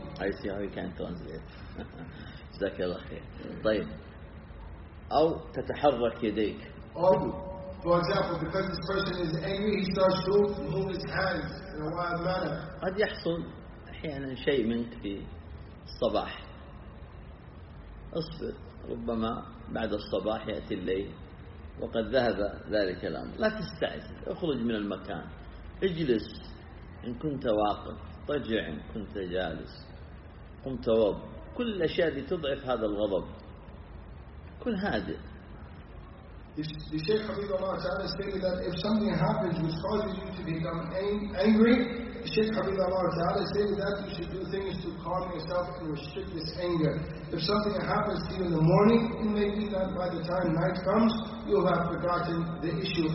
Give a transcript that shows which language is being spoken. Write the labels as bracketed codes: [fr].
[en] I see how you can translate. [ar] جزاك الله خير. طيب. أو تتحرك يديك. [en] Or, for example, because this person is angry, he starts to move his hands in a wild manner. [ar] قد يحصل أحيانا شيء منك في الصباح. اصبر ربما بعد الصباح يأتي الليل وقد ذهب ذلك الأمر. لا تستعجل، اخرج من المكان، اجلس إن كنت واقف، اضطجع إن كنت جالس، قم توضأ، كل الأشياء التي تضعف هذا الغضب. كل هذا. [en] The Shaykh Hafidhullah Ta'ala stated that if something happens which causes you to become angry, the Shaykh Hafidhullah Ta'ala stated that you should do things to calm yourself and restrict this anger. If something happens to you in the morning, it may be that by the time night comes, you'll have forgotten the issue.